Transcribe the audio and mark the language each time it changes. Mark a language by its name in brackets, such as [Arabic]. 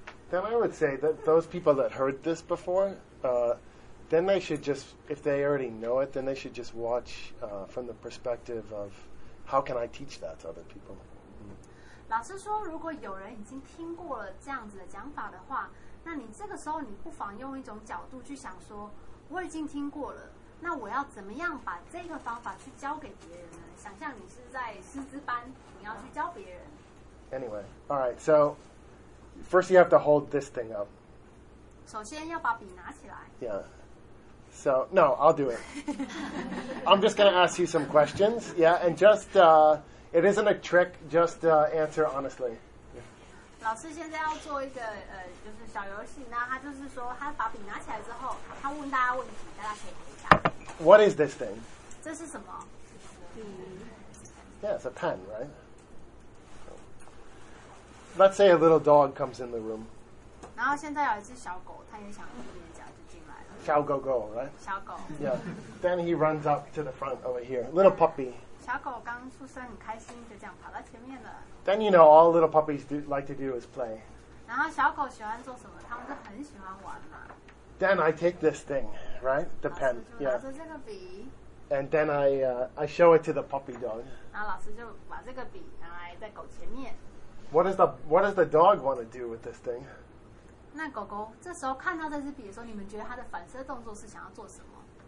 [English] Then I would say that those people that heard this before, then they should just, if they already know it, then they should just watch from the perspective of how can I teach that to other people.、 [Chinese] 嗯、老师说，如果有人已经听过了这样子的讲法的话。那你这个时候，你不妨用一种角度去想说，我已经听过了，那我要怎么样把这个方法去教给别人呢？想象你是在师资班，你要去教别人。 [English] Anyway, all right. So, first you have to hold this thing up. [Chinese] 首先要把笔拿起来。 [English] Yeah. So, no, I'll do it. I'm just going to ask you some questions. Yeah, and just, it isn't a trick. Just answer honestly. [Chinese] 老师现在要做一个就是小游戏，那他就是说，他把笔拿起来之后，他问大家问题，大家可以回答。 [English] What is this thing? [Chinese] 这是什么？ [English] 笔。Yeah, it's a pen, right? Let's say a little dog comes in the room. [Chinese] 然后现在有一只小狗，它也想捏脚，就进来了。小狗狗 ，right? 小狗。 [English] Yeah. Then he runs up to the front over here, little puppy. [Chinese] 小狗刚出生很开心，就这样跑到前面了。 [English] Then you know all little puppies do, like to do is play. [Chinese] 然后小狗喜欢做什么？他们就很喜欢玩嘛。 [English] Then I take this thing, right? The pen. [Chinese] 老师就拿着这个笔。 [English] Yeah. And then I show it to the puppy dog. [Chinese] 然后老师就把这个笔拿来在狗前面。 [English] What does the dog want to do with this thing? [Chinese] 那狗狗这时候看到这支笔的时候，你们觉得它的反射动作是想要做什么？